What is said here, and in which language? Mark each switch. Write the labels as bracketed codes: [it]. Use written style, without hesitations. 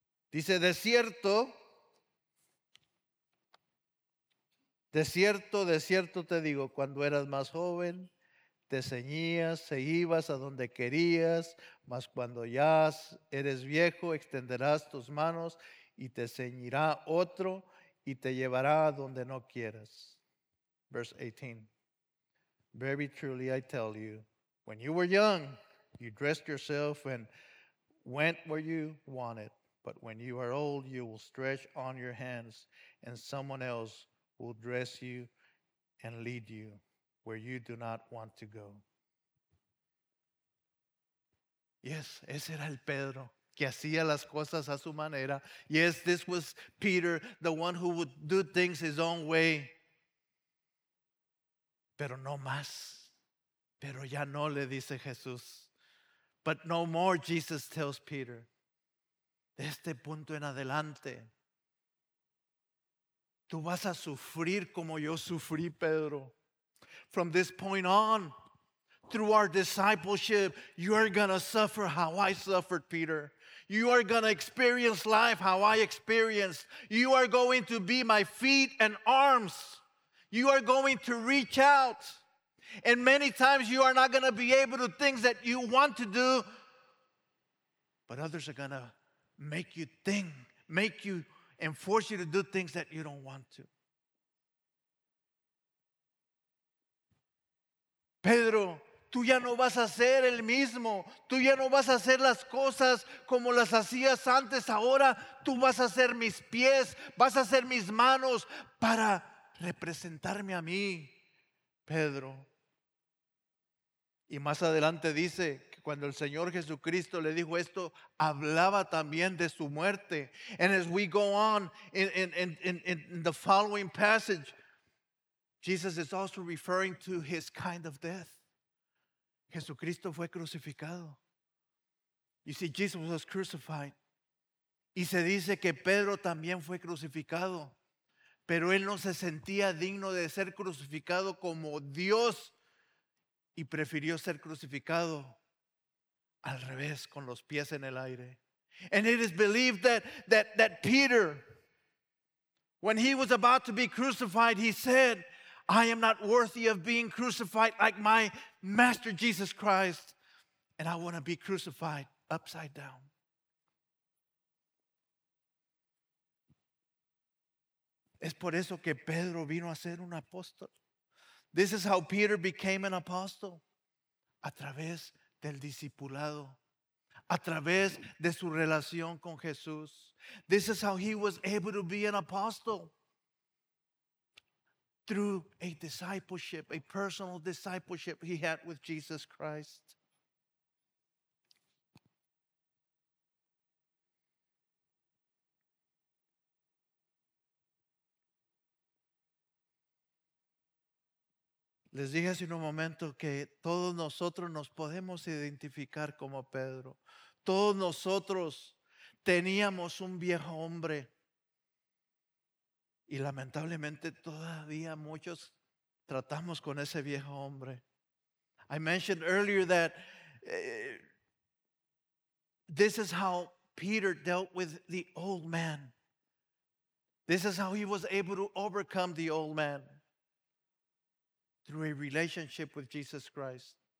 [es] Dice, de cierto te digo, cuando eras más joven, te ceñías e ibas a donde querías, mas cuando ya eres viejo, extenderás tus manos y te ceñirá otro y te llevará donde no quieras. [en] Verse 18. Very truly I tell you, when you were young, you dressed yourself and went where you wanted. But when you are old, you will stretch on your hands and someone else will dress you and lead you where you do not want to go. [es] Yes, ese era el Pedro, que hacía las cosas a su manera. [en] Yes, this was Peter, the one who would do things his own way. [es] Pero no más. Pero ya no, le dice Jesús. [en] But no more, Jesus tells Peter. [es] De este punto en adelante, tú vas a sufrir como yo sufrí, Pedro. [en] From this point on, through our discipleship, you are going to suffer how I suffered, Peter. You are going to experience life how I experienced. You are going to be my feet and arms. You are going to reach out. And many times you are not going to be able to do things that you want to do. But others are going to make you think, make you and force you to do things that you don't want to. [es] Pedro, tú ya no vas a ser el mismo. Tú ya no vas a hacer las cosas como las hacías antes. Ahora tú vas a ser mis pies, vas a ser mis manos para representarme a mí, Pedro. Y más adelante dice que cuando el Señor Jesucristo le dijo esto, hablaba también de su muerte. [en] And as we go on in the following passage, Jesus is also referring to his kind of death. [es] Jesucristo fue crucificado. [en] You see, Jesus was crucified. [es] Y se dice que Pedro también fue crucificado. Pero él no se sentía digno de ser crucificado como Dios y prefirió ser crucificado al revés, con los pies en el aire. [en] And it is believed that Peter, when he was about to be crucified, he said, I am not worthy of being crucified like my master Jesus Christ, and I want to be crucified upside down. [es] Es por eso que Pedro vino a ser un apóstol. [en] This is how Peter became an apostle. [es] A través del discipulado. A través de su relación con Jesús. [en] This is how he was able to be an apostle. Through a discipleship, a personal discipleship he had with Jesus Christ. [es] Les dije hace un momento que todos nosotros nos podemos identificar como Pedro. Todos nosotros teníamos un viejo hombre. Y lamentablemente todavía muchos tratamos con ese viejo hombre. [en] I mentioned earlier that this is how Peter dealt with the old man. This is how he was able to overcome the old man. Through a relationship with Jesus Christ.